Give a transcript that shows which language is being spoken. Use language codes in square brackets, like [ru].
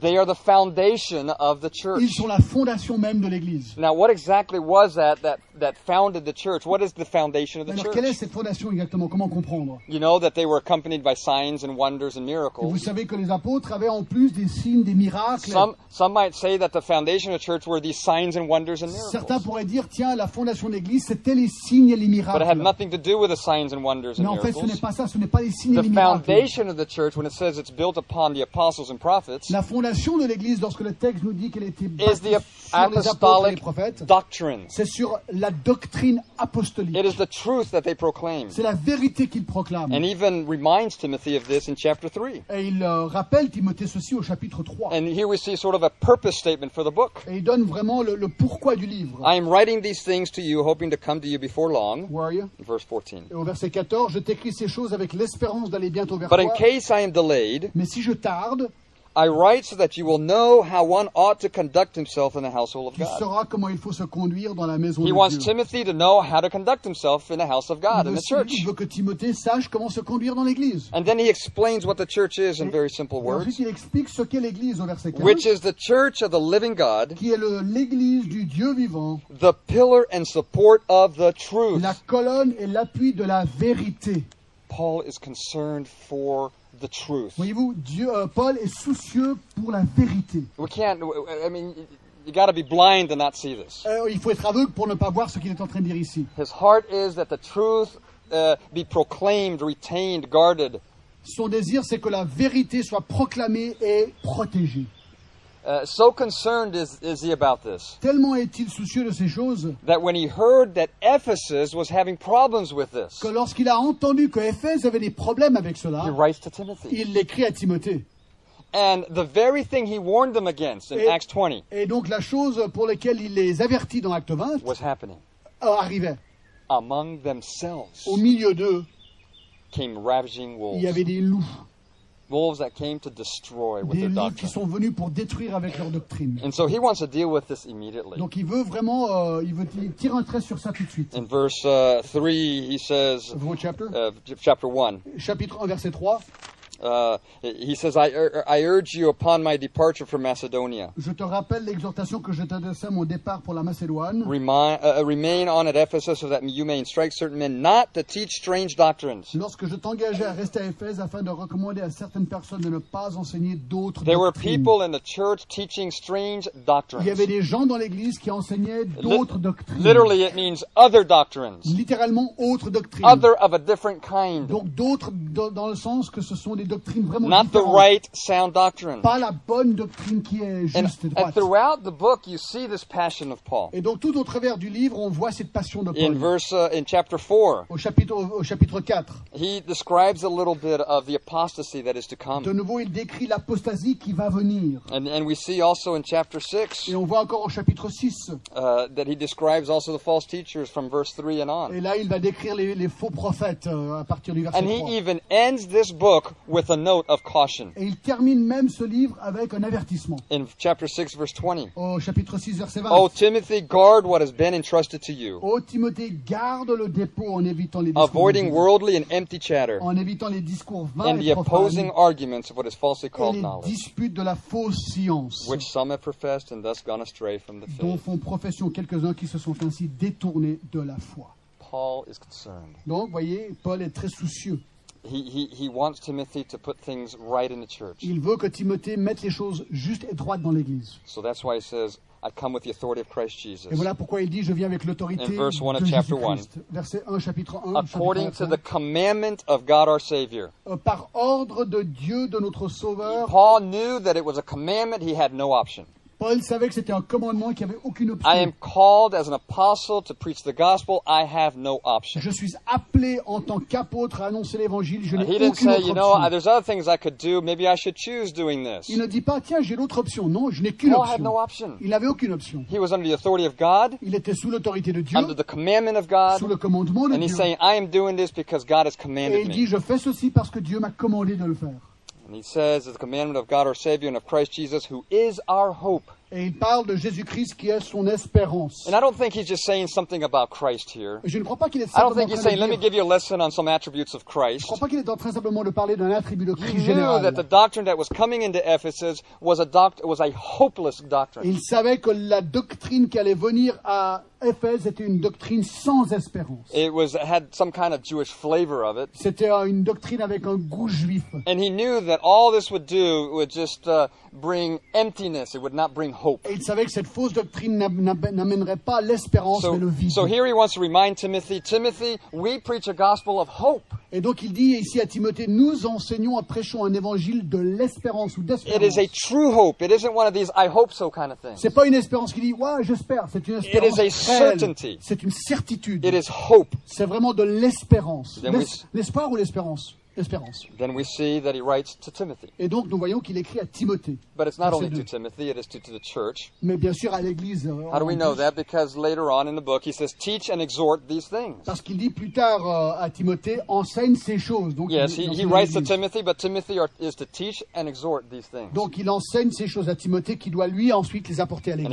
[en] They are the foundation of the church. [fr] Ils sont la fondation même de l'église. [en] Now what exactly was that founded the church? What is the foundation of the church? [fr] Alors quelle est cette fondation exactement? Comment comprendre? [en] You know that they were accompanied by signs and wonders and miracles. [fr] Et vous savez que les apôtres avaient en plus des signes, des miracles. [en] Some might say that the foundation of the church were these signs and wonders and miracles. [fr] Certains pourraient dire, tiens, la fondation de l'église, c'était les signes et les miracles. [en] But it had nothing to do with the signs and wonders and miracles. [fr] Mais en fait, ce n'est pas ça, ce n'est pas les signes et les [en] miracles. The foundation of the church, when it says it's built upon the apostles and prophets, [fr] la fondation de l'église, lorsque le texte nous dit qu'elle était bâtie sur les apôtres et les prophètes, [en] doctrine. [fr] C'est sur la doctrine apostolique. [en] It is the truth that they proclaim. [fr] C'est la vérité qu'ils proclament. [en] And even reminds Timothy of this in chapter 3. [fr] Et il rappelle Timothée ceci au chapitre 3. [en] And here we see sort of a purpose statement for the book. [fr] Et il donne vraiment le pourquoi du livre. [en] I am writing these things to you, hoping to come to you before long. Where are you? Verse 14. [fr] Au verset 14, je t'écris ces choses avec l'espérance d'aller bientôt vers toi. [en] But in case I am delayed, [fr] mais si je tarde, [en] I write so that you will know how one ought to conduct himself in the household of God. [fr] Tu sauras comment il faut se conduire dans la maison de Dieu. [en] He wants Timothy to know how to conduct himself in the house of God, in the church. [fr] Il veut que Timothée sache comment se conduire dans l'église. [en] And then he explains what the church is in very simple words. [fr] Ensuite, il explique ce qu'est l'église au verset 15. [en] Which is the church of the living God. [fr] Qui est l'église du Dieu vivant. [en] The pillar and support of the truth. [fr] La colonne et l'appui de la vérité. [en] Paul is concerned for the truth. [fr] Voyez-vous, Dieu, Paul est soucieux pour la vérité. [en] We can't, I mean, you got to be blind to not see this. [fr] Il faut être aveugle pour ne pas voir ce qu'il est en train de dire ici. [en] His heart is that the truth be proclaimed, retained, guarded. [fr] Son désir, c'est que la vérité soit proclamée et protégée. [en] So concerned is he about this. [fr] Tellement est-il soucieux de ces choses. [en] That when he heard that Ephesus was having problems with this. [fr] Que lorsqu'il a entendu que Éphèse avait des problèmes avec cela. [en] He writes to Timothy. [fr] Il l'écrit à Timothée. [en] And the very thing he warned them against in Acts 20. [fr] Et donc la chose pour laquelle il les avertit dans Acte 20. [en] Was happening. [fr] Arrivait. [en] Among themselves. [fr] Au milieu d'eux. [en] Came ravaging wolves. [fr] Il y avait des loups. [en] Wolves that came to destroy with [fr] des [en] their doctrine. [fr] Des loups qui sont venus pour détruire avec leur doctrine. [en] And so he wants to deal with this immediately. [fr] Donc il veut vraiment, il tire un trait sur ça tout de suite. [en] In verse 3, he says. What chapter? Chapter 1. [fr] Chapitre 1, verset 3. [en] He says, I urge you upon my departure from Macedonia. [fr] Je te rappelle l'exhortation que je t'adressais à mon départ pour la Macédoine. [en] Remain on at Ephesus so that you may instruct certain men not to teach strange doctrines. [fr] Lorsque je t'engageais à rester à Éphèse afin de recommander à certaines personnes de ne pas enseigner d'autres [en] there There were people in the church teaching strange doctrines. [fr] Il y avait des gens dans l'église qui enseignaient d'autres doctrines. [en] Literally, it means other doctrines. [fr] Littéralement, autres doctrines. [en] Other of a different kind. [fr] Donc d'autres dans le sens que ce sont des doctrines vraiment [en] not the right sound doctrine. [fr] Pas la bonne doctrine qui est juste [en] and, [fr] et droite. [en] And throughout the book, you see this passion of Paul. [fr] Et donc tout au travers du livre, on voit cette passion de Paul. [en] In verse, in chapter 4, [fr] au chapitre 4, [en] he describes a little bit of the apostasy that is to come. [fr] De nouveau, il décrit l'apostasie qui va venir. [en] And we see also in chapter 6, [fr] et on voit encore au chapitre 6, [en] that he describes also the false teachers from verse 3 and on. [fr] Et là, il va décrire les faux prophètes à partir du verset 3. [en] And he even ends this book with a note of caution. [fr] Et il termine même ce livre avec un avertissement. [en] In chapter 6, verse 20. [fr] Au chapitre 6, verset 20. [en] O Timothy, guard what has been entrusted to you. [fr] O Timothée, garde le dépôt en évitant les [en] discours. Avoiding worldly and empty chatter. [fr] En évitant les discours vains. [en] And the opposing arguments of what is falsely called knowledge. [fr] Et les disputes de la fausse science. [en] Which some have professed and thus gone astray from the faith. [fr] Dont font profession quelques-uns qui se sont ainsi détournés de la foi. [en] Paul is concerned. [fr] Donc, voyez, Paul est très soucieux. [en] He wants Timothy to put things right in the church. [fr] Il veut que Timothée mette les choses justes et droites dans l'église. [en] So that's why he says, I come with the authority of Christ Jesus. [fr] Et voilà pourquoi il dit, je viens avec l'autorité de Jésus-Christ. Verset 1, chapitre 1. [en] According to the commandment of God our Savior. [fr] Par ordre de Dieu de notre Sauveur. [en] Paul knew that it was a commandment, he had no option. [fr] Paul savait que c'était un commandement et qu'il n'y avait aucune option. [en] I am called as an apostle to preach the gospel. I have no option. [fr] Je suis appelé en tant qu'apôtre à annoncer l'évangile. Je n'ai aucune autre option. [en] You know, there's other things I could do. Maybe I should choose doing this. [fr] Il ne dit pas, tiens, j'ai l'autre option. Non, je n'ai qu'une option. [en] I had no option. [fr] Il n'avait aucune option. [en] He was under the authority of God. [fr] Il était sous l'autorité de Dieu. [en] Under the commandment of God. [fr] Sous le commandement de [en] and [fr] Dieu. [en] And he's saying, I am doing this because God has commanded me. [fr] Et il dit, je fais ceci parce que Dieu m'a commandé de le faire. [en] And he says, it's the commandment of God our Savior and of Christ Jesus, who is our hope. [fr] Et il parle de Jésus-Christ qui est son espérance. [en] And I don't think he's just saying something about Christ here. [fr] Je ne crois pas qu'il est [en] I don't think he's saying, let me give you a lesson on some attributes of Christ. [fr] Je ne crois pas qu'il est en train simplement de parler d'un attribut de Christ [en] général. He knew that the doctrine that was coming into Ephesus was a hopeless doctrine. [fr] Il savait que la doctrine qui allait venir à Éphèse était une doctrine sans espérance. [en] Had some kind of Jewish flavor of it. [fr] C'était une doctrine avec un goût juif. [en] And he knew that all this would do would just bring emptiness. It would not bring hope. [fr] Et il savait que cette fausse doctrine n'amènerait pas l'espérance mais le vide. [en] So here he wants to remind Timothy. Timothy, we preach a gospel of hope. [fr] Et donc il dit ici à Timothée, nous enseignons et prêchons un évangile de l'espérance ou d'espérance. [en] It is a true hope. It isn't one of these I hope so kind of things. [fr] C'est pas une espérance qui dit ouais j'espère. C'est une espérance. [en] It is a certainty. [fr] C'est une certitude. [en] It is hope. [fr] C'est vraiment de l'espérance. L'espoir ou l'espérance? L'espérance. [en] Then we see that he writes to Timothy. [fr] Et donc nous voyons qu'il écrit à Timothée. [en] But it's not only to Timothy, it is to the church. [fr] Mais bien sûr à l'église. [en] How do we know that? Because later on in the book, he says, teach and exhort these things. [fr] Parce qu'il dit plus tard à Timothée, enseigne ces choses. Donc, [en] yes, he writes to Timothy, but Timothy is to teach and exhort these things. [fr] Donc il enseigne ces choses à Timothée qui doit lui ensuite les apporter à l'église.